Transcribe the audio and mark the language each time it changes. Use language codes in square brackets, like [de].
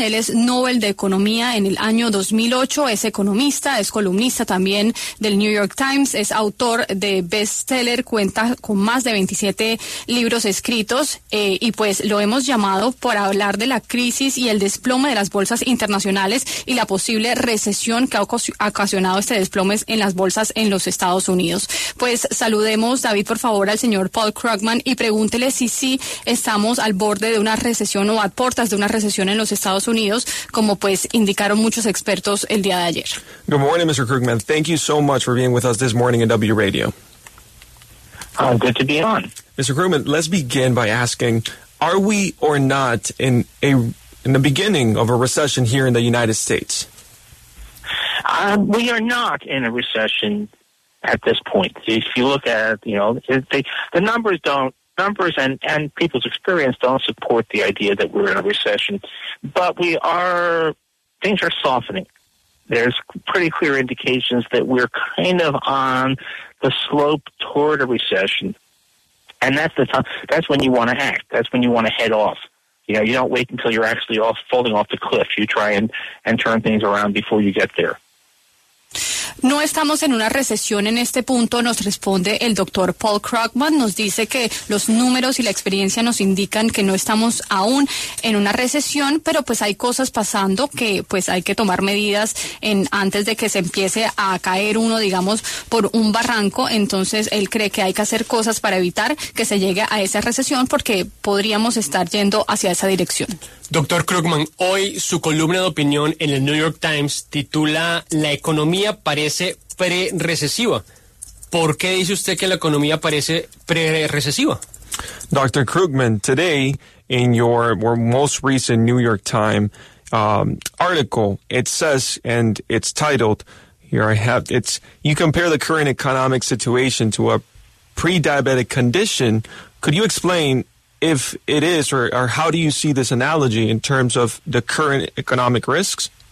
[es] Él es Nobel de Economía en el año 2008, es economista, es columnista también del New York Times, es autor de bestseller, cuenta con más de 27 libros escritos, y pues lo hemos llamado para hablar de la crisis y el desplome de las bolsas internacionales y la posible recesión que ha ocasionado este desplome en las bolsas en los Estados Unidos. Pues saludemos, David, por favor, al señor Paul Krugman y pregúntele si sí estamos al borde de una recesión o a puertas de una recesión en los Estados Unidos, como pues indicaron muchos expertos el día de ayer. [en] Good morning, Mr. Krugman. Thank you so much for being with us this morning in W Radio. Good to be on. Mr. Krugman, let's begin by asking, are we or not in the beginning of a recession here in the United States? We are not in a recession at this point. If you look at, you know, the numbers don't, numbers and people's experience don't support the idea that we're in a recession, but we are, things are softening. There's pretty clear indications that we're kind of on the slope toward a recession, and that's the time, that's when you want to act, that's when you want to head off. You know, you don't wait until you're actually off falling off the cliff. You try and turn things around before you get there. [es] No estamos en una recesión en este punto, nos responde el doctor Paul Krugman. Nos dice que los números y la experiencia nos indican que no estamos aún en una recesión, pero pues hay cosas pasando que pues hay que tomar medidas en antes de que se empiece a caer uno, digamos, por un barranco. Entonces él cree que hay que hacer cosas para evitar que se llegue a esa recesión, porque podríamos estar yendo hacia esa dirección. Doctor Krugman, hoy su columna de opinión en el New York Times titula "La economía parece pre-recesiva". ¿Por qué dice usted que la economía parece pre-recesiva? [en] Dr. Krugman, today in your most recent New York Times article, it says, and it's titled, here I have, it's, you compare the current economic situation to a pre-diabetic condition. Could you explain if it is, or how do you see this analogy in terms of the current economic risks?